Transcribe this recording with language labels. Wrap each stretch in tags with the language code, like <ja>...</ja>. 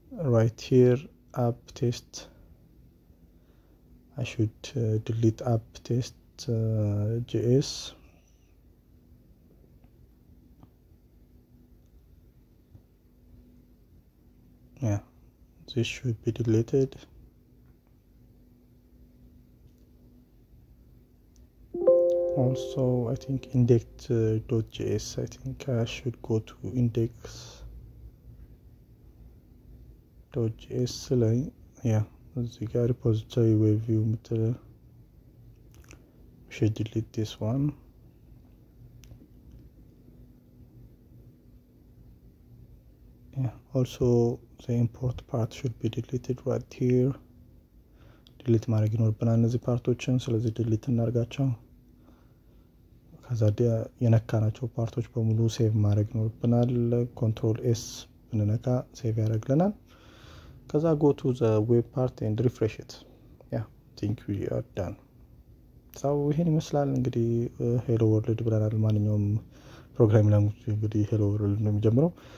<en>ራይት ሂር አፕ ቴስት አሹድ ድሊት አፕ ቴስት ጄኤስ this should be deleted. Also, I think index.js, I think I should go to index.js line. The repository web view meter should delete this one. Also, the import part should be deleted right here.</en> <am>Delete ማድረግ ይኖርብናል እነዚህ ፓርቶችን። ስለዚህ ዲሊት እናርጋቸው። ከዛ የነካናቸው ፓርቶች በሙሉ ሴቭ ማድረግ ይኖርብናል። ኮንትሮል ኤስ ብንነካ ሴቭ ያደርግልናል። ከዛ</am> <en>ጎ ቱ ዘ ዌብ ፓርት ኤንድ ሪፍሬሽ ኢት። ያ ቲንክ ዊ አር ዳን።</en> <am>ሰው ይሄን ይመስላል እንግዲህ። ሄሎ ወርልድ ብለናል። ማንኛውም ፕሮግራሚንግ ላንጉጅ እንግዲህ ሄሎ ወርልድ ነው የሚጀምረው።</am>